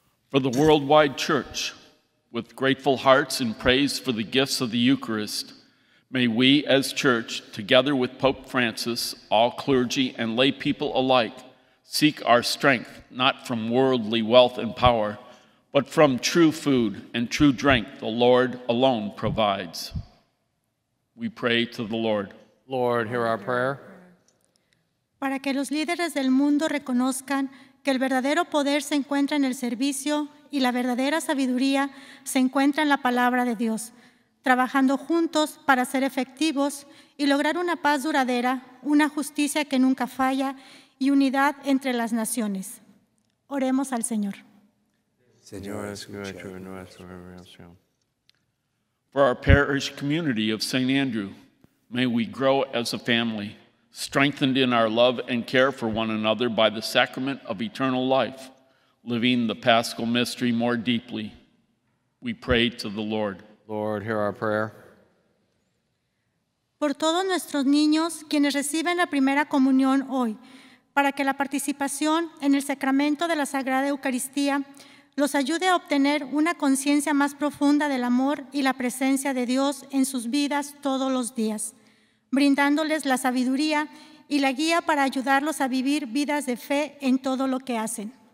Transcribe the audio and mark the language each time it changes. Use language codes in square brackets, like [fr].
[en] For the worldwide church, with grateful hearts and praise for the gifts of the Eucharist, may we as church, together with Pope Francis, all clergy and lay people alike, seek our strength not from worldly wealth and power, but from true food and true drink the Lord alone provides. We pray to the Lord. Lord, hear our prayer. [es] Para que los líderes del mundo reconozcan que el verdadero poder se encuentra en el servicio y la verdadera sabiduría se encuentra en la palabra de Dios, trabajando juntos para ser efectivos y lograr una paz duradera, una justicia que nunca falla y unidad entre las naciones. Oremos al Señor. Señor, escucha nuestra oración. [en] For our parish community of St. Andrew, may we grow as a family, strengthened in our love and care for one another by the sacrament of eternal life, living the Paschal mystery more deeply. We pray to the Lord. Lord, hear our prayer. [es] Por todos nuestros niños, quienes reciben la primera comunión hoy, para que la participación en el sacramento de la Sagrada Eucaristía los ayude a obtener una conciencia más profunda del amor y la presencia de Dios en sus vidas todos los días, brindándoles la sabiduría y la guía para ayudarlos a vivir vidas de fe en todo lo que hacen.